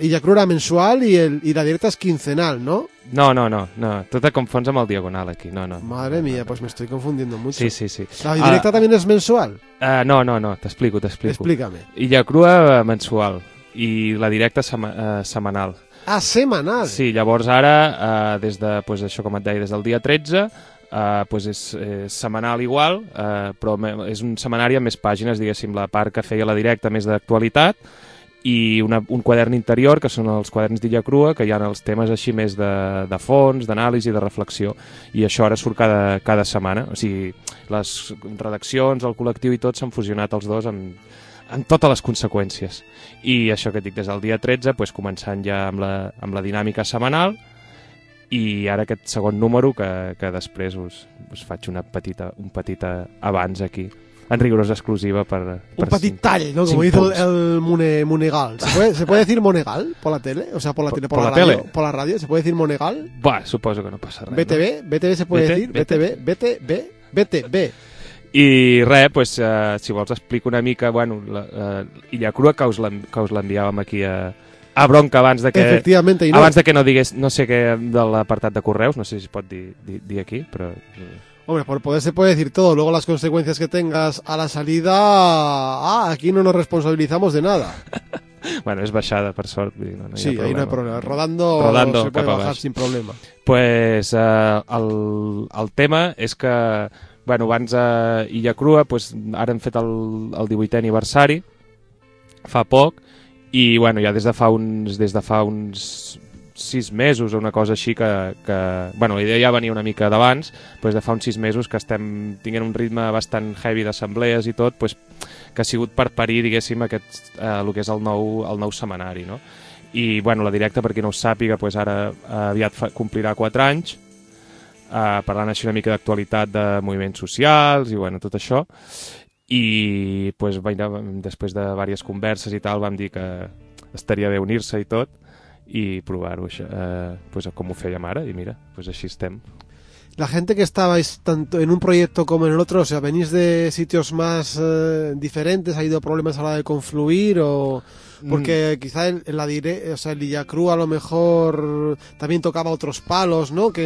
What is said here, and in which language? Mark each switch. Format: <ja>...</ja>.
<es>Illa Crua era mensual y la directa es quincenal, ¿no?</es> <ca>No, tu te confons amb el diagonal aquí, no.</ca> <es>Madre mía, pues me estoy confundiendo mucho. Sí. La directa también es mensual.</es> <ca>No, t'explico.</ca> <es>Explícame.</es> <ca>Illa Crua mensual i la directa setmanal. Ah, setmanal. Sí, llavors ara, des de, pues, això com et deia, des del dia 13, pues és setmanal igual, però és un setmanari amb més pàgines, diguéssim, la part que feia la directa més d'actualitat, i un quadern interior, que són els quaderns d'Illa Crua, que hi ha els temes així més de fons, d'anàlisi, de reflexió, i això ara surt cada setmana. O sigui, les redaccions, el col·lectiu i tot s'han fusionat els dos en totes les conseqüències. I això que dic, des del dia 13, pues, començant ja amb la dinàmica setmanal, i ara aquest segon número, que després us faig un petit avanç aquí. En rigorosa exclusiva per un petit tall, no? Com dice el Monegal.</ca> <es>¿Se puede decir Monegal por la tele? O sea, por la radio, ¿se puede decir Monegal?</es> <ca>Bah, suposo que no passa res. BTV, no?</ca> <es>BTV se puede decir, BTV.</es> <ca>I res, pues, si vols explico una mica, bueno, Illa Crua, que us l'enviàvem aquí a Bronca abans de que... Efectivament, i no. Abans de que no digués, no sé què, de l'apartat de correus, no sé si es pot dir aquí, però...</ca> <es>Hombre, por poder se puede decir todo. Luego las consecuencias que tengas a la salida... Ah, aquí no nos responsabilizamos de nada. Bueno, es bajada, por suerte. Sí, problema. Ahí no hay problema. Rodando se puede bajar sin problema.</es> <ca>Pues el tema es que, bueno, abans a Illa Crua, pues ara hem fet el 18è aniversari, fa poc, i bueno, ja des de fa uns 6 mesos o una cosa així que bueno, la idea ja venia una mica d'abans, pues de fa uns 6 mesos que estem tinguent un ritme bastant heavy d'assemblees i tot, pues que ha sigut per parir, diguéssim, aquest lo que és el nou setmanari, no? I bueno, la directa, per qui no ho sàpiga, pues ara aviat complirà 4 anys. Parlant així una mica d'actualitat, de moviments socials i bueno, tot això. I pues després de diverses converses i tal, vam dir que estaria bé unir-se i tot. I provar-ho, això, pues, com ho fèiem ara, i mira, pues així estem.</ca> <es>la gente que estabais tanto en un proyecto como en el otro, o sea, venís de sitios más diferentes, ha habido problemas a la hora de confluir, o porque quizá el Illacruz a lo mejor también tocaba otros palos, ¿no?</es>